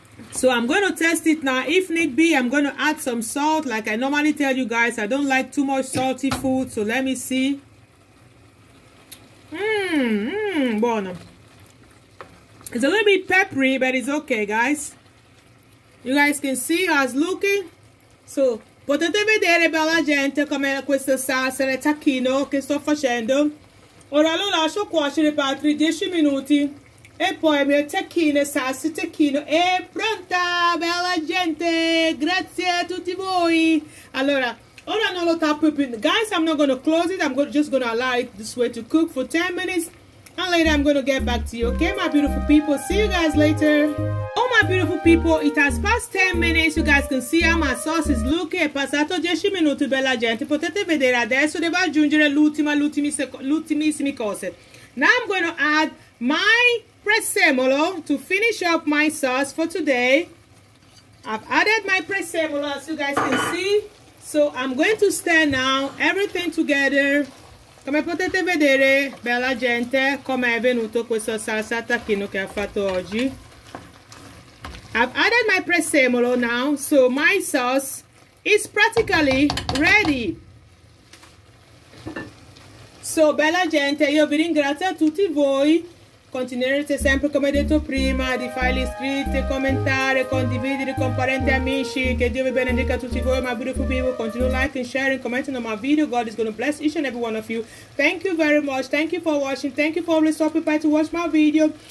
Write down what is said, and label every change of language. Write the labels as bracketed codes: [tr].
[en] So I'm going to test it now. If need be, I'm going to add some salt. Like I normally tell you guys, I don't like too much salty food. So let me see. [it] Buono. [en] It's a little bit peppery, but it's okay, guys. You guys can see how it's looking. [it] So, potete vedere, bella gente, come questa salsa del tacchino che sto facendo. Ora lo lascio cuocere per altri 10 minuti. E poi il mio tacchino, salsa tacchino, è pronta, bella gente. Grazie a tutti voi. Allora, ora non lo tappo più. [en] Guys, I'm not gonna close it. I'm just gonna allow it this way to cook for 10 minutes. And later I'm going to get back to you, okay, my beautiful people? See you guys later. Oh, my beautiful people, it has passed 10 minutes. You guys can see how my sauce is looking. [it] È passato 10 minuti, bella gente. Potete vedere adesso, devo aggiungere l'ultimissime cose. [en] Now I'm going to add my prezzemolo to finish up my sauce for today. I've added my prezzemolo, as you guys can see. So I'm going to stir now everything together. [it] Come potete vedere, bella gente, come è venuto questa salsa tacchino che ho fatto oggi. [en] I've added my prezzemolo now, so my sauce is practically ready. [it] So, bella gente, io vi ringrazio a tutti voi. Continuerete sempre, come detto prima, di fare iscritti, commentare, condividere con parenti e amici. Che Dio vi benedica a tutti voi, [en] my beautiful people. Continue liking, sharing, commenting on my video. God is going to bless each and every one of you. Thank you very much. Thank you for watching. Thank you for always stopping by to watch my video.